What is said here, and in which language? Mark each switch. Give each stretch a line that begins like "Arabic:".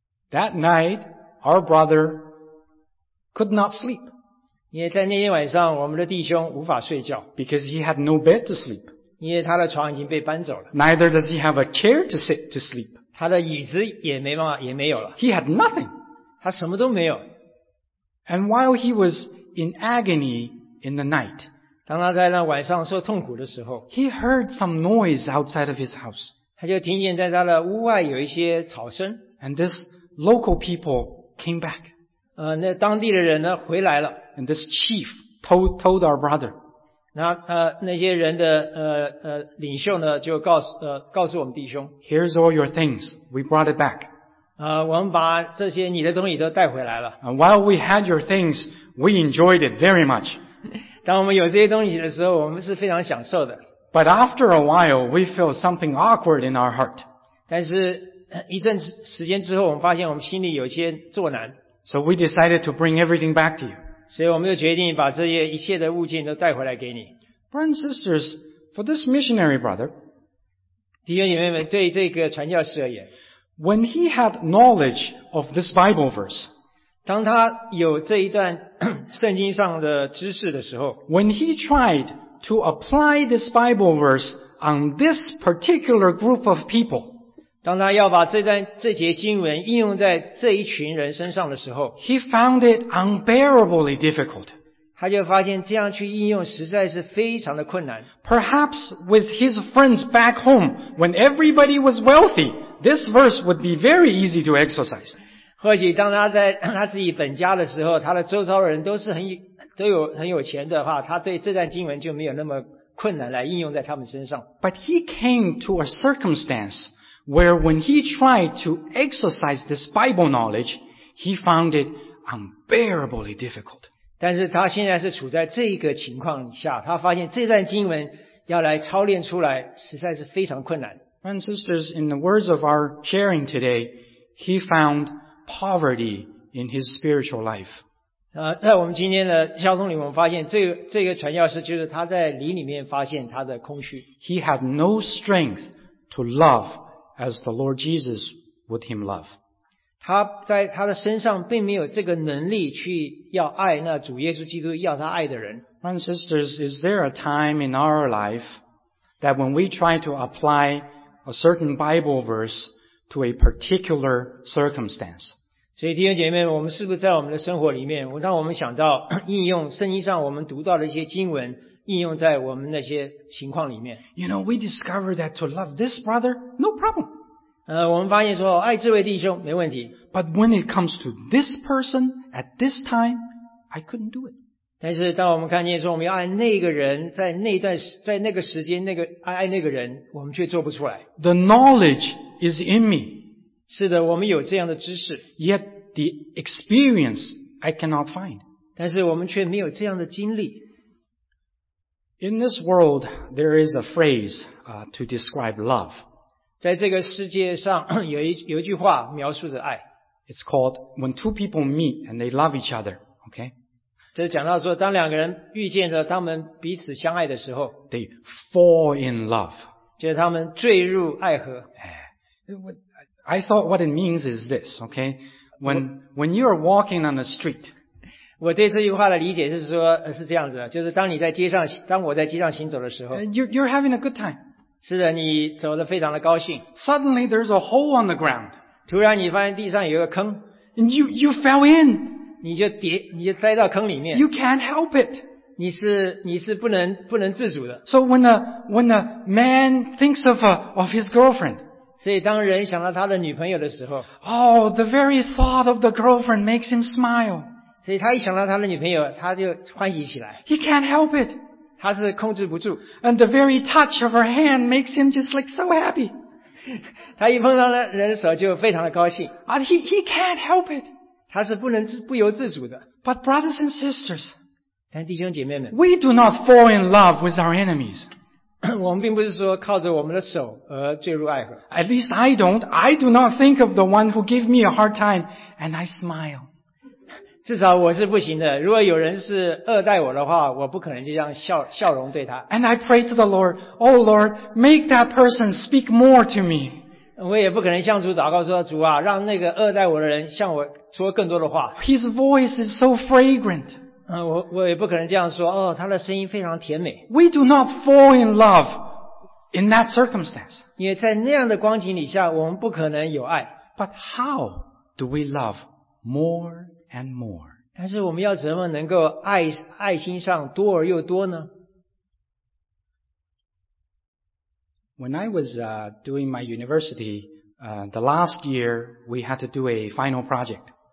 English: That night, our brother could not sleep.
Chinese: 因为在那天晚上，我们的弟兄无法睡觉。
English: Because he had no bed to sleep.
Chinese: 因为他的床已经被搬走了。
English: Neither does he have a chair to sit to sleep.
Chinese: 他的椅子也没办法，也没有了。
English: He had nothing.
Chinese: 他什么都没有。
English: And while he was in agony in the night,
Chinese: 当他在那晚上受痛苦的时候，
English: he heard some noise outside of his house.
Chinese: 他就听见在他的屋外有一些吵声。
English: And this local people came back.
Chinese: 那当地的人呢回来了。
English: And this chief told our brother.
Chinese: 那些人的领袖呢就告诉我们弟兄。
English: Here's all your things. We brought it back.
Chinese: 我们把这些你的东西都带回来了。
English: And while we had your things, we enjoyed it very much.
Chinese: 当我们有这些东西的时候，我们是非常享受的。
English: But after a while, we felt something awkward in our heart.
Chinese: 但是一阵时间之后，我们发现我们心里有些作难。
English: So we decided to bring everything back to you.
Chinese: 所以我们就决定把这些一切的物件都带回来给你。
English: Brothers and sisters, for this missionary brother,
Chinese: 弟兄姐妹们，对这个传教士而言，
English: when he had knowledge of this Bible verse,
Chinese: 当他有这一段圣经上的知识的时候，
English: when he tried to apply this Bible verse on this particular group of people,
Chinese: 当他要把这节经文应用在这一群人身上的时候，
English: He found it unbearably difficult.
Chinese: 他就发现这样去应用实在是非常的困难。
English: Perhaps with his friends back home, when everybody was wealthy, this verse would be very easy to exercise.
Chinese: 或许当他在他自己本家的时候，他的周遭人都是很有钱的话，他对这段经文就没有那么困难来应用在他们身上。
English: But he came to a circumstance where when he tried to exercise this Bible knowledge, he found it unbearably difficult.
Chinese: 但是他现在是处在这个情况下，他发现这段经文要来操练出来实在是非常困难。
English: Brothers and sisters, in the words of our sharing today, he found poverty in his spiritual life.
Chinese: 在我们今天的交通里，我们发现这个传教士就是他在灵里面发现他的空虚。
English: He had no strength to love as the Lord Jesus would him love.
Chinese: 他在他的身上并没有这个能力去要爱那主耶稣基督要他爱的人。
English: Brothers and sisters, is there a time in our life that when we try to apply a certain Bible verse to a particular circumstance?
Chinese: 所以弟兄姐妹们，我们是不是在我们的生活里面，当我们想到应用圣经上我们读到的一些经文应用在我们那些情况里面。
English: You know, we discover that to love this brother, no problem.
Chinese: 我们发现说爱这位弟兄没问题。
English: But when it comes to this person at this time, I couldn't do it.
Chinese: 但是当我们看见说我们要爱那个人，在那个时间爱那个人，我们却做不出来。
English: The knowledge is in me.
Chinese: 是的，我们有这样的知识。
English: Yet the experience I cannot find.
Chinese: 但是我们却没有这样的经历。
English: In this world, there is a phrase, to describe love.
Chinese: 在这个世界上有一句话描述着爱。
English: It's called, when two people meet and they love each other, okay?
Chinese: 这讲到说当两个人遇见着他们彼此相爱的时候，
English: they fall in love.
Chinese: 就是他们坠入爱河。
English: I thought what it means is this, okay? When you are walking on the street,
Chinese: 我对这句话的理解是说是这样子的，就是当我在街上行走的时候，
English: You're having a good time.
Chinese: 是的，你走得非常的高兴。
English: Suddenly there's a hole on the ground.
Chinese: 突然你发现地上有一个坑。
English: And you fell in.
Chinese: 你就栽到坑里面。
English: You can't help it.
Chinese: 你是不能自主的。
English: So when a man thinks of his girlfriend.
Chinese: 所以当人想到他的女朋友的时候，
English: Oh, the very thought of the girlfriend makes him smile.
Chinese: 所以他一想到他的女朋友，他就欢喜起来。
English: He can't help it.
Chinese: 他是控制不住。
English: And the very touch of her hand makes him just like so happy.
Chinese: 他一碰到人的手就非常的高兴。
English: He can't help it.
Chinese: 他是不由自主的。
English: But brothers and sisters,
Chinese: 但弟兄姐妹们，
English: we do not fall in love with our enemies.
Chinese: 我们并不是说靠着我们的手而坠入爱河。
English: At least I don't. I do not think of the one who gave me a hard time and I smile.
Chinese: 至少我是不行的。如果有人是恶待我的话，我不可能就这样笑容对他。
English: And I pray to the Lord, Oh Lord, make that person speak more to me.
Chinese: 我也不可能向主祷告说，主啊，让那个恶待我的人向我说更多的话。
English: His voice is so fragrant.
Chinese: 我也不可能这样说，哦，他的声音非常甜美。
English: We do not fall in love in that circumstance.
Chinese: 因为在那样的光景底下，我们不可能有爱。
English: But how do we love more and more?
Chinese: 但是我们要怎么能够爱心上多而又多呢？
English: When I was doing my university, the last year we had to do a final project.